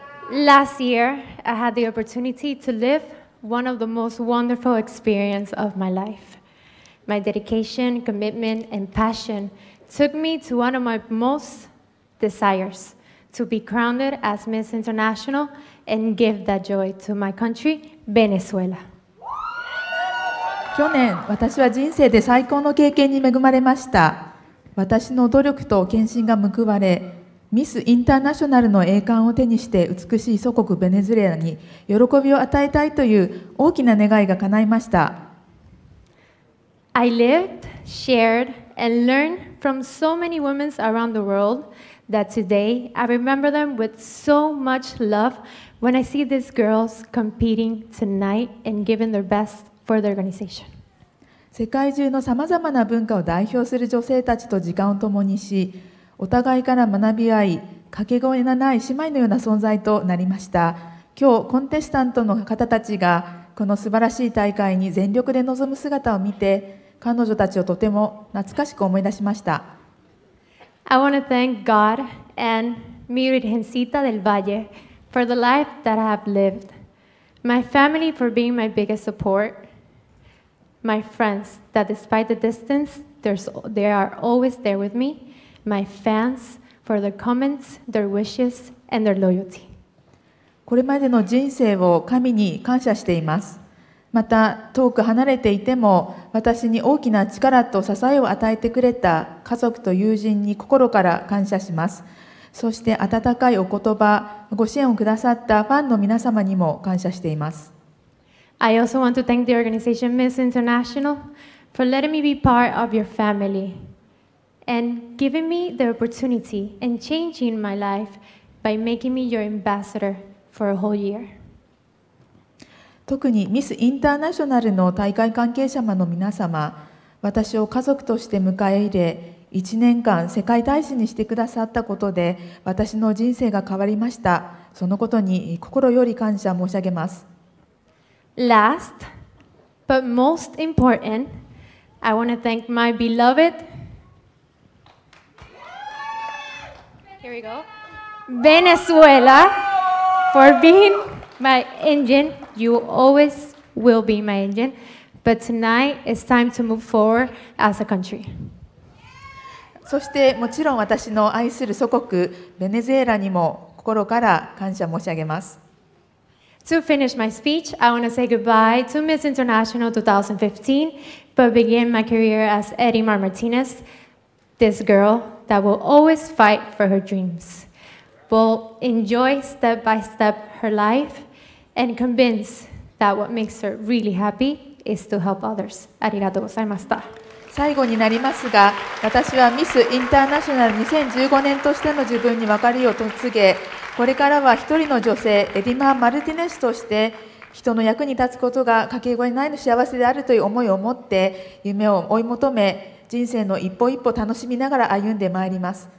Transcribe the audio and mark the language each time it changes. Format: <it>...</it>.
<en>Last year, I had the opportunity to live one of the most wonderful experiences of my life. My dedication, commitment, and passion took me to one of my most desires, to be crowned as Miss International and give that joy to my country, Venezuela.</en> <ja>去年、私は人生で最高の経験に恵まれました。私の努力と献身が報われ、ミス・インターナショナルの栄冠を手にして美しい祖国ベネズエラに喜びを与えたいという大きな願いが叶いました。</ja> <en>I lived, shared, and learned from so many women around the world that today I remember them with so much love when I see these girls competing tonight and giving their best for the organization.</en> <ja>世界中のさまざまな文化を代表する女性たちと時間を共にし、お互いから学び合い、掛け声のない姉妹のような存在となりました。今日、コンテスタントの方たちがこの素晴らしい大会に全力で臨む姿を見て、彼女たちをとても懐かしく思い出しました。</ja> <en>I want to thank God and mi Virgencita del Valle for the life that I have lived, my family for being my biggest support, my friends that despite the distance, they are always there with me, my fans for their comments, their wishes, and their loyalty.</en> <ja>これまでの人生を神に感謝しています。また、遠く離れていても、私に大きな力と支えを与えてくれた家族と友人に心から感謝します。そして、温かいお言葉、ご支援をくださったファンの皆様にも感謝しています。</ja> <en>I also want to thank the organization Miss International for letting me be part of your family and giving me the opportunity and changing my life by making me your ambassador. For a whole year.</en> <ja>特にミスインターナショナルの大会関係者の皆様、私を家族として迎え入れ、1年間世界大使にしてくださったことで私の人生が変わりました。そのことに心より感謝申し上げます。</ja> <en>Last but most important, I want to thank my beloved Here we go. Venezuela For being my engine, you always will be my engine. But tonight, it's time to move forward as a country.</en> <ja>そしてもちろん私の愛する祖国、ベネズエラにも心から感謝申し上げます。</ja> <en>To finish my speech, I want to say goodbye to Miss International 2015, but begin my career as Edimar Martinez, this girl that will always fight for her dreams. Will enjoy step by step her life and convince that what makes her really happy is to help others.</en> <ja>ありがとうございました。最後になりますが、私はミスインターナショナル2015年としての自分に別れを告げ、これからは一人の女性、エディマー・マルティネスとして、人の役に立つことが掛け声ないの幸せであるという思いを持って、夢を追い求め、人生の一歩一歩楽しみながら歩んでまいります。</ja>